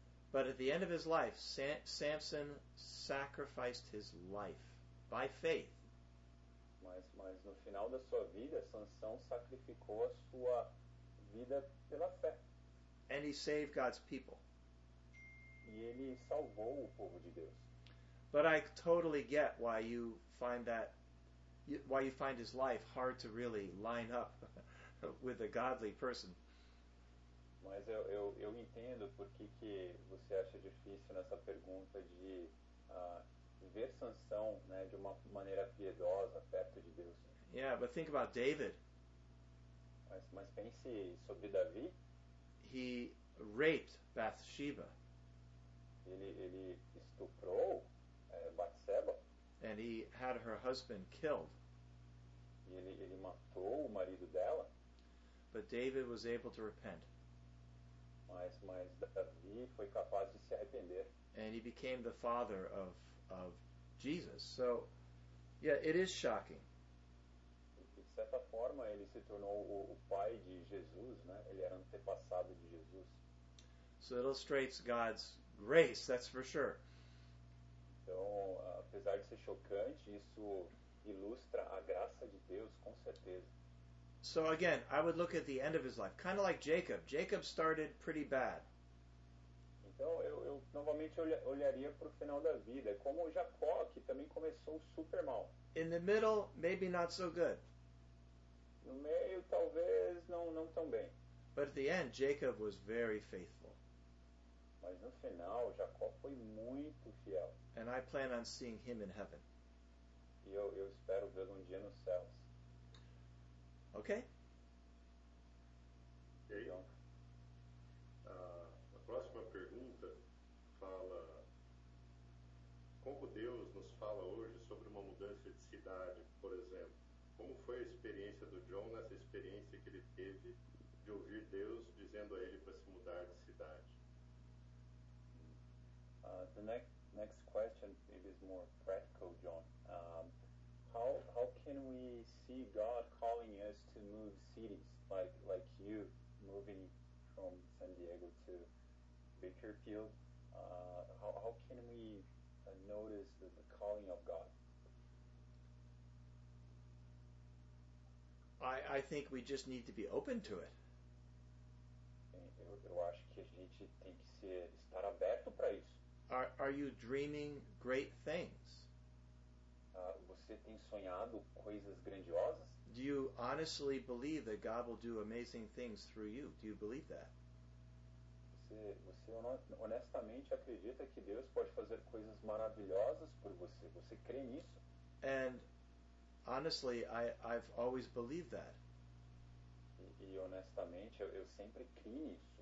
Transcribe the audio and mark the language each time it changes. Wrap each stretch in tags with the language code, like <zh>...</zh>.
<en>But at the end of his life, Samson sacrificed his life by faith.</en> <pt>Mas no final da sua vida, Sansão sacrificou a sua vida pela fé.</pt> <en>And he saved God's people.</en> <pt>E ele salvou o povo de Deus.</pt> <en>But I totally get why you find that, why you find his life hard to really line up with a godly person.</en> <pt>Mas eu entendo por que que você acha difícil nessa pergunta de ver Sansão, né, de uma maneira piedosa perto de Deus.</pt> <en>Yeah, but think about David.</en> <pt>Mas pense sobre Davi.</pt> <en>He raped Bathsheba.</en> <pt>Ele estuprou Bathsheba.</pt> <en>And he had her husband killed.</en> <pt>E ele matou o marido dela.</pt> <en>But David was able to repent.</en> <pt>Mas Davi foi capaz de se arrepender.</pt> <en>And he became the father of Jesus. So, yeah, it is shocking.</en> <pt>De certa forma, ele se tornou o pai de Jesus, né? Ele era antepassado de Jesus.</pt> <en>So it illustrates God's grace, that's for sure.</en> <pt>Então, apesar de ser chocante, isso ilustra a graça de Deus, com certeza.</pt> <en>So again, I would look at the end of his life, kind of like Jacob. Jacob started pretty bad.</en> <pt>Então, eu novamente olharia para o final da vida, como Jacó, que também começou super mal.</pt> <en>In the middle, maybe not so good.</en> <pt>No meio, talvez não tão bem.</pt> <en>But at the end, Jacob was very faithful.</en> <pt>Mas no final, Jacó foi muito fiel.</pt> <en>And I plan on seeing him in heaven.</en> <pt>E eu espero vê-lo um dia nos céus. Okay. Okay. A próxima pergunta fala como Deus nos fala hoje sobre uma mudança de cidade, por exemplo. Como foi a experiência do John nessa experiência que ele teve de ouvir Deus dizendo a ele para se mudar de cidade?</pt> <en>The next question is more practical, John. How can we see God calling us to move cities, like you moving from San Diego to Bakersfield? How can we notice the calling of God? I think we just need to be open to it.</en> <pt>Eu acho que a gente tem que estar aberto para isso.</pt> <en>Are you dreaming great things?</en> <pt>Você tem sonhado coisas grandiosas?</pt> <en>Do you honestly believe that God will do amazing things through you? Do you believe that?</en> <pt>Você honestamente acredita que Deus pode fazer coisas maravilhosas por você? Você crê nisso?</pt> <en>And honestly, I've always believed that.</en> <pt>E honestamente, eu sempre criei nisso.</pt>